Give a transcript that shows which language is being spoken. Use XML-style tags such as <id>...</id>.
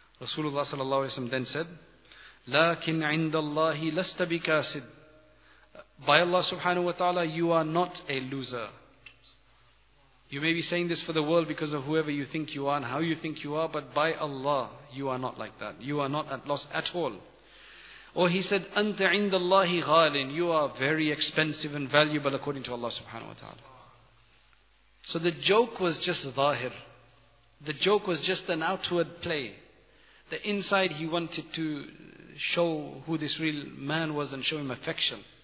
<ar>Rasulullah صلى الله عليه وسلم</ar> <en>then said,</en> <ar>لَكِنْ عِنْدَ اللَّهِ لَسْتَ بِكَاسِدٍ.</ar> <en>By Allah subhanahu wa ta'ala, you are not a loser. You may be saying this for the world because of whoever you think you are and how you think you are, but by Allah, you are not like that. You are not at loss at all. Or he said,</en> <ar>أَنْتَ عِنْدَ اللَّهِ غَالٍ.</ar> <en>You are very expensive and valuable according to Allah subhanahu wa ta'ala. So the joke was just zahir. The joke was just an outward play. The inside, he wanted to show who this real man was and show him affection.</en>